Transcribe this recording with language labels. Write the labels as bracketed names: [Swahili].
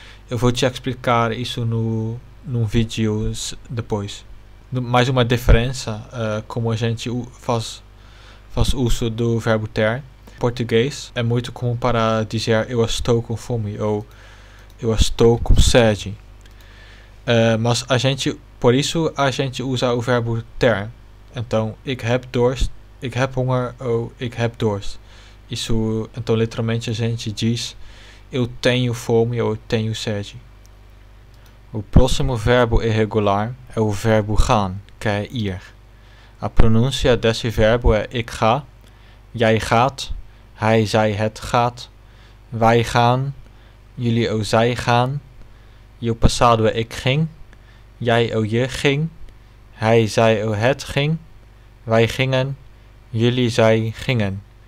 [Portuguese] Eu vou te explicar isso num vídeo depois. Mais uma diferença, como a gente faz uso do verbo ter. Em português é muito comum para dizer eu estou com fome ou eu estou com sede. Mas a gente, por isso a gente usa o verbo ter. [Dutch] Então, ik heb dorst, ik heb honger ou ik heb dorst. [Portuguese] Isso, então literalmente a gente diz eu tenho fome ou eu tenho sede. O próximo verbo irregular é o verbo gaan, que é ir. A pronúncia desse verbo é [Dutch] ik ga, jij gaat, hij, zij, het gaat, wij gaan, jullie ou zij gaan. [Portuguese] E o passado é [Dutch] ik ging, jij ou je ging, hij, zij ou het ging, wij gingen, jullie, zij gingen.